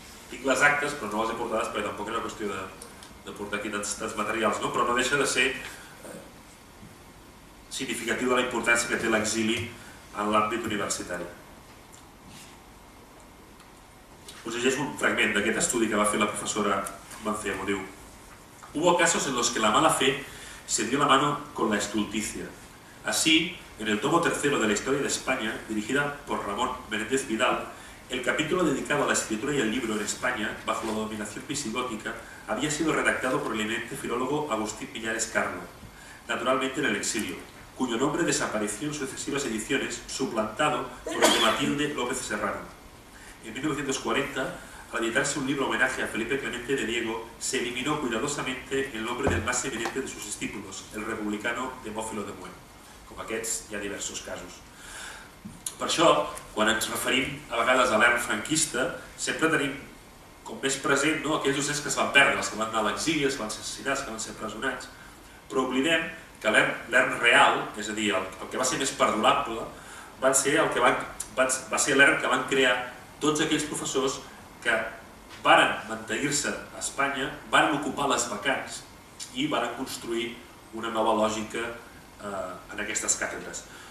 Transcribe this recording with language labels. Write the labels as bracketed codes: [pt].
[ca] Tinc les actes, però no les he portades, perquè tampoc era qüestió de portar aquí tants materials, no? Però no deixa de ser significatiu de la importància que té l'exili en l'àmbit universitari. Us llegeixo un fragment d'aquest estudi que va fer la professora Mancía, m'ho diu. [es] Hubo casos en los que la mala fe se dio la mano con la estulticia. Así, en el tomo tercero de la historia de España, dirigida por Ramón Menéndez Vidal, el capítulo dedicado a la escritura y el libro en España, bajo la dominación visigótica, había sido redactado por el eminente filólogo Agustín Millares Carlo, naturalmente en el exilio, cuyo nombre desapareció en sucesivas ediciones, suplantado por el de Matilde López Serrano. En 1940, al editarse un libro homenaje a Felipe Clemente de Diego, se eliminó cuidadosamente el nombre del más eminente de sus discípulos, el republicano Demófilo de Buen. [ca] Com aquests, hi ha diversos casos. Per això, quan ens referim a vegades a l'era franquista, sempre tenim com més present, no?, aquells docents que es van perdre, els que van anar a l'exili, els que van ser assassinats, que van ser empresonats, però oblidem que l'ERN real, és a dir, el que va ser més perdurable, va ser l'ERN que van crear tots aquells professors que varen mantenir-se a Espanya, varen ocupar les vacants i varen construir una nova lògica en aquestes càtedres.